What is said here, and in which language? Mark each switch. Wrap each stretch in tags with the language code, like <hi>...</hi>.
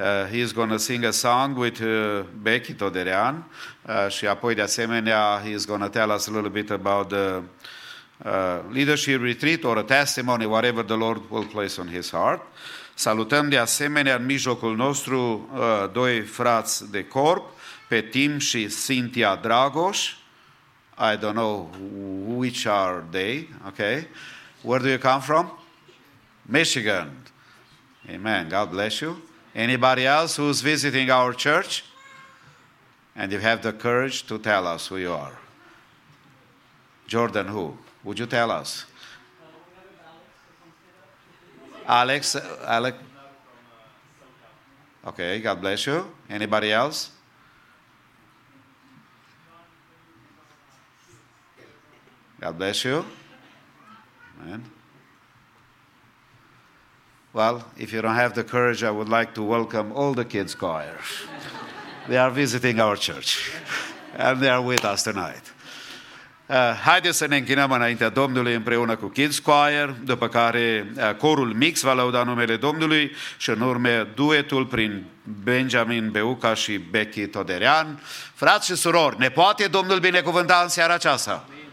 <en>He's going to sing a song with Becky Toderean.</en> <ro>Și apoi, de asemenea,</ro> <en>he's going to tell us a little bit about the leadership retreat or a testimony, whatever the Lord will place on his heart.</en> <ro>Salutăm, de asemenea, în mijlocul nostru doi frați de corp, pe Tim și Cynthia Dragoș.</ro> <en>I don't know which are they, okay? Where do you come from? Michigan. Amen. God bless you. Anybody else who's visiting our church? And you have the courage to tell us who you are. Jordan, who? Would you tell us? Alex? Alex? Okay, God bless you. Anybody else? God bless you. Amen. Well, if you don't have the courage, I would like to welcome all the kids' choirs. They are visiting our church, and they are with us tonight.</en> <ro>Haideți să ne închinăm înaintea Domnului împreună cu Kids Choir, după care corul mix va lăuda numele Domnului și în urmă duetul prin Benjamin Beuca și Becky Toderean. Frați și surori, ne poate Domnul binecuvânta în seara aceasta?</ro>